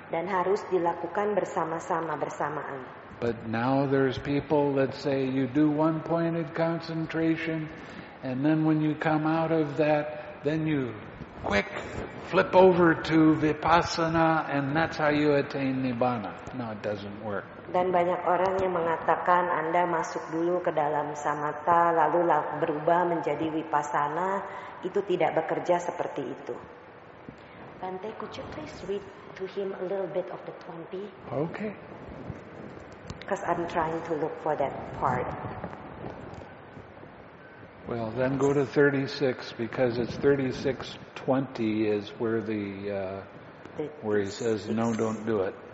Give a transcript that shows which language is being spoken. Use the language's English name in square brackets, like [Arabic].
[Indonesian] Dan harus dilakukan bersama-sama, bersamaan. [English] But now there's people that say you do one pointed concentration and then when you come out of that, then you quick flip over to vipassana and that's how you attain nibbana. No, it doesn't work. [Indonesian] Dan banyak orang yang mengatakan Anda masuk dulu ke dalam samatha lalu berubah menjadi vipassana, itu tidak bekerja seperti itu. [English] Bante, could you please read to him a little bit of the 20? Okay. Because I'm trying to look for that part. Well, then go to 36 because it's 36:20 is where the where he says no, don't do it.